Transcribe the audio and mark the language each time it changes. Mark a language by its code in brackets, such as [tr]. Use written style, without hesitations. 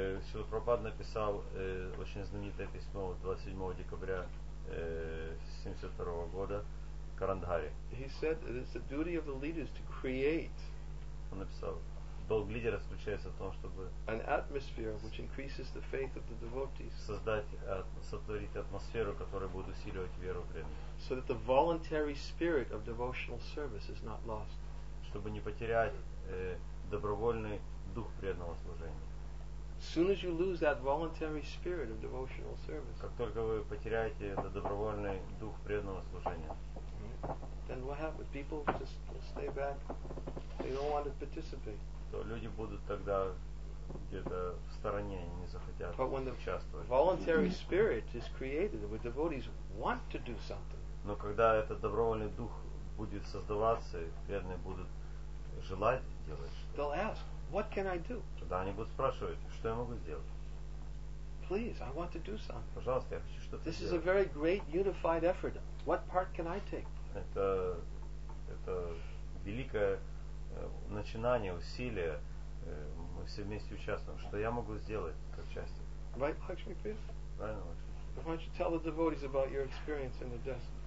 [ru] Шрила Прабхупада написал очень знаменитое письмо 27 декабря 72 года Карандхаре. [en] He said that it's the duty of the leaders to create. [ru] Он написал, долг лидера заключается в том, чтобы [en] an atmosphere which increases the faith of the devotees. [ru] Сотворить атмосферу, которая будет усиливать веру преданных. [en] So that the voluntary spirit of devotional service is not lost. [ru] Чтобы не потерять добровольный дух преданного служения. [en] As soon as you lose that voluntary spirit of devotional service, [ru] как только вы потеряете этот добровольный дух преданного служения, [en] then what happens? People just stay back. They don't want to participate. [ru] То люди будут тогда где-то в стороне, они не захотят участвовать. [en] But when the voluntary spirit is created, the devotees want to do something. [ru] Но когда этот добровольный дух будет создаваться, преданные будут желать делать что-то. [en] They'll ask, what can I do? [ru] Тогда они будут спрашивать, что я могу сделать? [en] Please, I want to do something. [ru] Пожалуйста, я хочу что-то. [en] This [ru] сделать. [en] Is a very great unified effort. What part can I take? [ru] Это великое начинание, усилия. Мы все вместе участвуем. Что я могу сделать как часть? [en] Right, Lakshmi Priya? [ru] Правильно, Лакшми. [en] Why don't you tell the devotees about your experience in the desert?